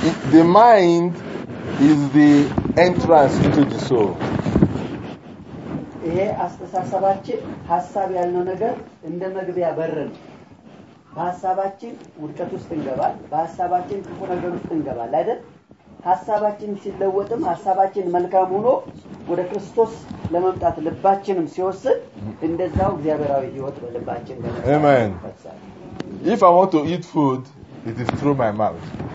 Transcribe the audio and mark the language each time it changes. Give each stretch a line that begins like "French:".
English: The mind is the entrance into the soul.
Amharic: ይሄ አስተሳሰባችን ሐሳብ ያለው ነገር እንደመግቢያ በርን በሐሳባችን ውድቀት ውስጥ እንገባል በሐሳባችን ክፉ ነገር ውስጥ እንገባል አይደል ሐሳባችን ሲለወጥም ሐሳባችን መልካም ሆኖ ወደ ክርስቶስ ለመምጣት ልባችንም ሲወስድ እንደዛው እግዚአብሔራዊ ህይወት በልባችን
English: አሜን if I want to eat food it is through my mouth